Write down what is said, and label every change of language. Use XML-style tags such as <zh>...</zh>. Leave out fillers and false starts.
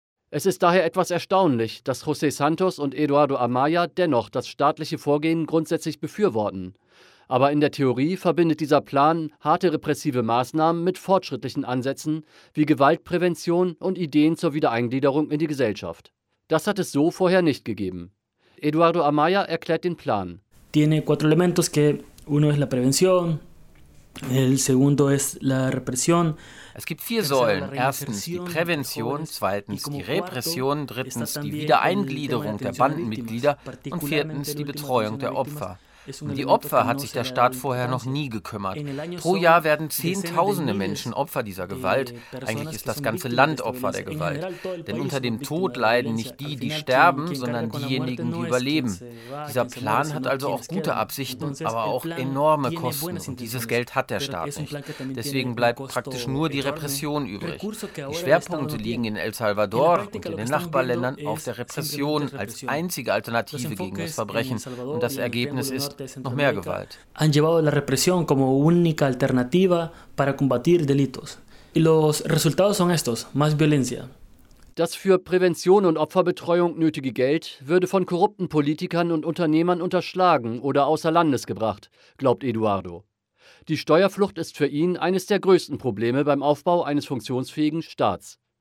<de>Es ist daher etwas erstaunlich, dass José Santos und Eduardo Amaya dennoch das staatliche Vorgehen grundsätzlich befürworten. Aber in der Theorie verbindet dieser Plan harte repressive Maßnahmen mit fortschrittlichen Ansätzen wie Gewaltprävention und Ideen zur Wiedereingliederung in die Gesellschaft. Das hat es so vorher nicht gegeben. Eduardo Amaya erklärt den Plan.</de> <es>Tiene cuatro elementos que uno es la prevención, el segundo es la represión.</es> <de>Es gibt vier Säulen. Erstens die Prävention, zweitens die Repression, drittens die Wiedereingliederung der Bandenmitglieder und viertens die Betreuung der Opfer. Die Opfer hat sich der Staat vorher noch nie gekümmert. Pro Jahr werden Zehntausende Menschen Opfer dieser Gewalt. Eigentlich ist das ganze Land Opfer der Gewalt. Denn unter dem Tod leiden nicht die, die sterben, sondern diejenigen, die überleben. Dieser Plan hat also auch gute Absichten, aber auch enorme Kosten. Und dieses Geld hat der Staat nicht. Deswegen bleibt praktisch nur die Repression übrig. Die Schwerpunkte liegen in El Salvador und in den Nachbarländern auf der Repression als einzige Alternative gegen das Verbrechen. Und das Ergebnis ist, noch mehr Gewalt.</de> <es>Han llevado la represión como única alternativa para combatir delitos. Y los resultados son estos, más violencia.</es> <de>Das für Prävention und Opferbetreuung nötige Geld würde von korrupten Politikern und Unternehmern unterschlagen oder außer Landes gebracht, glaubt Eduardo. Die Steuerflucht ist für ihn eines der größten Probleme beim Aufbau eines funktionsfähigen Staats.</de>